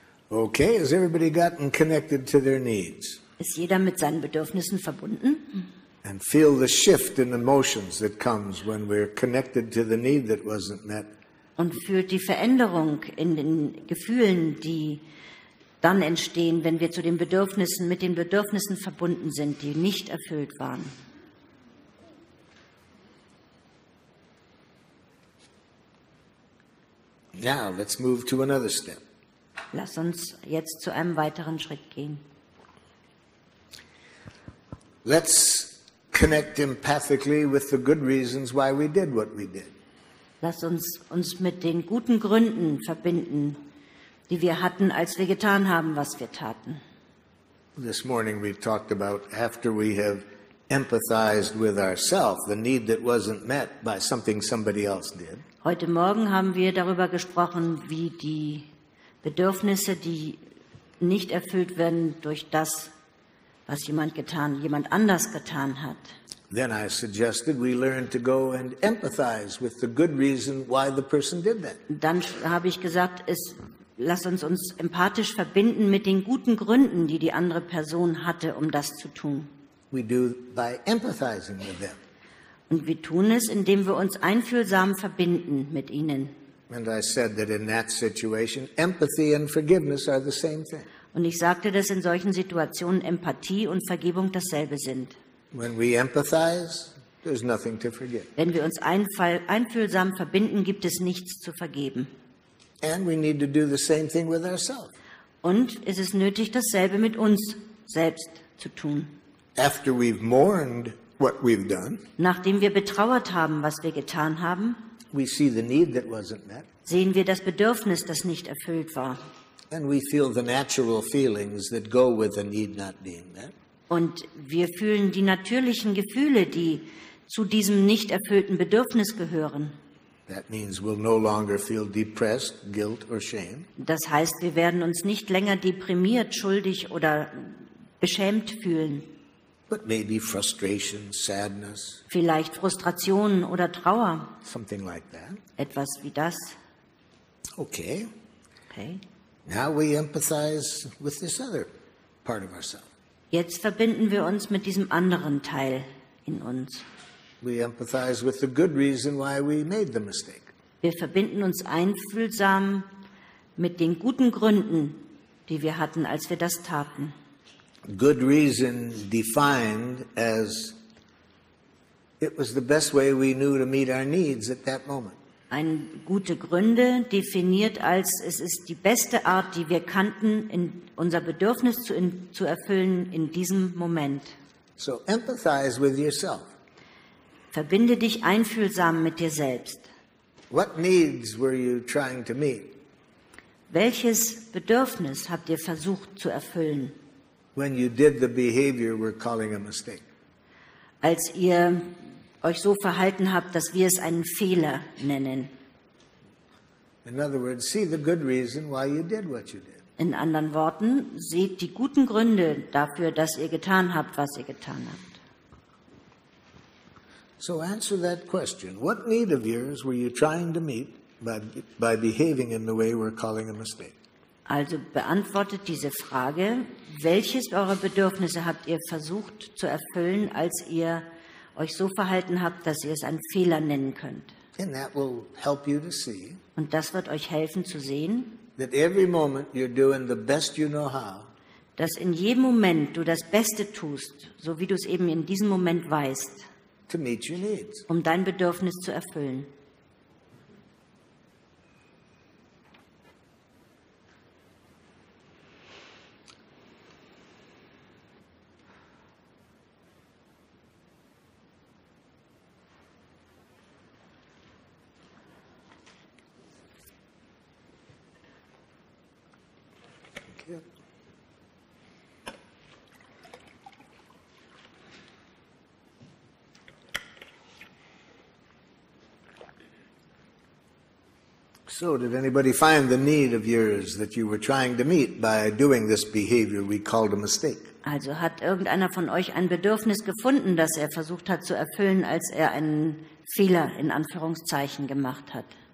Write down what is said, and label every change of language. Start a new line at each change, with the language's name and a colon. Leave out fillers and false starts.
English: Okay, has everybody gotten connected to their needs?
German: Ist jeder mit seinen Bedürfnissen verbunden?
English: And feel the shift in emotions that comes when we're connected to the need that wasn't met.
German: Und fühlt die Veränderung in den Gefühlen, die dann entstehen, wenn wir zu den Bedürfnissen mit den Bedürfnissen verbunden sind, die nicht erfüllt waren.
English: Now let's move to another step.
German: Lass uns jetzt zu einem weiteren Schritt gehen.
English: Let's connect empathically with the good reasons why we did what we did.
German: Lass uns mit den guten Gründen verbinden, die wir hatten, als wir getan haben, was wir taten.
English: This morning we talked about after we have empathized with ourselves, the need that wasn't met by something somebody else did.
German: Heute Morgen haben wir darüber gesprochen, wie die Bedürfnisse, die nicht erfüllt werden durch das, was jemand anders getan hat.
English: Then I suggested we learn to go and empathize with the good reason why the person did that.
German: Dann habe ich gesagt, lass uns empathisch verbinden mit den guten Gründen, die die andere Person hatte, das zu tun.
English: We do by empathizing with them.
German: Und wir tun es, indem wir uns einfühlsam verbinden mit ihnen.
English: And I said that in that situation, empathy and forgiveness are the same thing.
German: Und ich sagte, dass in solchen Situationen Empathie und Vergebung dasselbe sind.
English: When we empathize, There's nothing to forget.
German: Wenn wir uns einfühlsam verbinden, gibt es nichts zu vergeben.
English: And we need to do the same thing with ourselves.
German: Und es ist nötig, dasselbe mit uns selbst zu tun.
English: After we've mourned what we've done,
German: nachdem wir betrauert haben, was wir getan haben,
English: we see the need that wasn't met,
German: sehen wir das Bedürfnis, das nicht erfüllt war.
English: And we feel the natural feelings that go with the need not being met.
German: Und wir fühlen die natürlichen Gefühle, die zu diesem nicht erfüllten Bedürfnis gehören.
English: That means we'll no longer feel depressed, guilt or shame.
German: Das heißt, wir werden uns nicht länger deprimiert, schuldig oder beschämt fühlen.
English: But maybe frustration, sadness.
German: Vielleicht Frustration oder Trauer.
English: Something like that.
German: Etwas wie das. Okay. Okay.
English: Now we empathize with this other part of ourselves.
German: Jetzt verbinden wir uns mit diesem anderen Teil in uns.
English: We empathize with the good reason why we made the mistake.
German: Wir verbinden uns einfühlsam mit den guten Gründen, die wir hatten, als wir das taten.
English: Good reason defined as it was the best way we knew to meet our needs at that moment.
German: Ein gute Gründe definiert als, es ist die beste Art, die wir kannten, in unser Bedürfnis zu erfüllen in diesem Moment.
English: So empathize with yourself.
German: Verbinde dich einfühlsam mit dir selbst.
English: What needs were you trying to meet?
German: Welches Bedürfnis habt ihr versucht zu erfüllen?
English: When you did the behavior we're calling a mistake.
German: Als ihr euch so verhalten habt, dass wir es einen Fehler nennen.
English: In other words, see the good reason why you did what you did.
German: In anderen Worten, seht die guten Gründe dafür, dass ihr getan habt, was ihr getan habt.
English: So answer that question. What need of yours were you trying to meet by behaving in the way we're calling a mistake?
German: Also beantwortet diese Frage, welches eurer Bedürfnisse habt ihr versucht zu erfüllen, als ihr euch so verhalten habt, dass ihr es einen Fehler nennen könnt.
English: And that will help you to see,
German: und das wird euch helfen zu sehen,
English: that every moment you're doing the best you know how,
German: dass in jedem Moment du das Beste tust, so wie du es eben in diesem Moment weißt,
English: to meet your needs.
German: Um dein Bedürfnis zu erfüllen.
English: So, did anybody find the need of yours that you were trying to meet by doing this behavior we called a mistake?
German: Also, hat irgendeiner von euch ein Bedürfnis gefunden, das er versucht hat zu erfüllen, als er einen Fehler in Anführungszeichen gemacht hat?